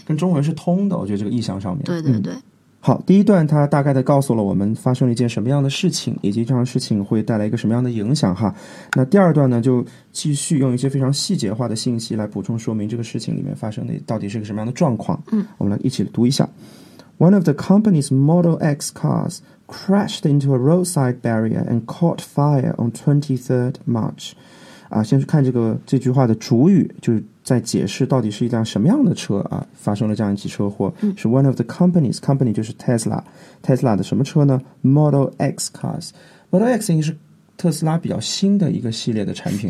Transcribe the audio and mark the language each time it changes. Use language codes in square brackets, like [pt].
[zh] 跟中文是通的，我觉得这个意象上面。对对对，嗯，好，第一段它大概的告诉了我们发生了一件什么样的事情，以及这样的事情会带来一个什么样的影响哈。那第二段呢，就继续用一些非常细节化的信息来补充说明这个事情里面发生的到底是个什么样的状况。嗯，我们来一起读一下。 [en] One of the company's Model X cars crashed into a roadside barrier and caught fire on 23rd March. [zh] 啊，先去看这句话的主语，就是在解释到底是一辆什么样的车啊，发生了这样一起车祸。嗯，是 [en] one of the companies， company [zh] 就是 Tesla 的什么车呢？ Model X cars。 Model X 应该是特斯拉比较新的一个系列的产品，